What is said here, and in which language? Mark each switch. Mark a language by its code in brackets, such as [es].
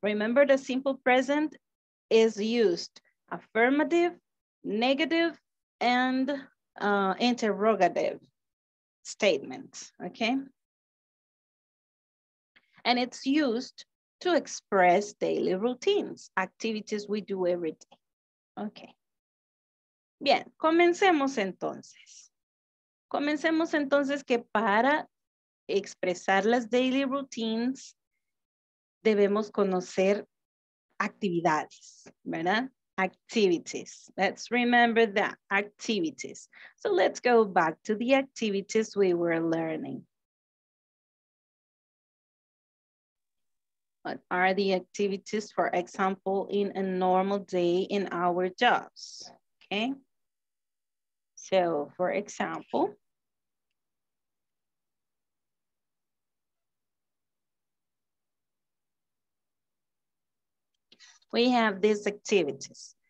[en] Remember, the simple present is used affirmative, negative, and interrogative statements, okay? And it's used to express daily routines, activities we do every day, okay? [es] Bien, comencemos entonces. Comencemos entonces que para expresar las daily routines, debemos conocer actividades, ¿verdad? [en] Activities. Let's remember that, activities. So let's go back to the activities we were learning. What are the activities, for example, in a normal day in our jobs? Okay. So, for example, we have these activities.